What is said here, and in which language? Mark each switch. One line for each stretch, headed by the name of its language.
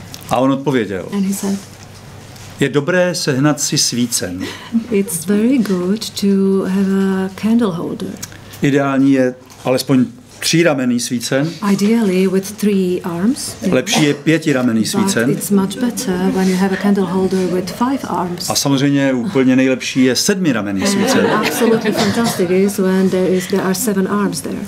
Czech: A on odpověděl, je dobré sehnat si svícen.
English: It's very good to have a candle holder.
Czech: Ideální je alespoň tříramenný svícen.
English: Ideally with three arms.
Czech: Lepší je pětiramenný svícen.
English: But it's much better when you have a candle holder with five arms.
Czech: A samozřejmě úplně nejlepší je sedmiramenný svícen.
English: Absolutely fantastic is when there are seven arms there.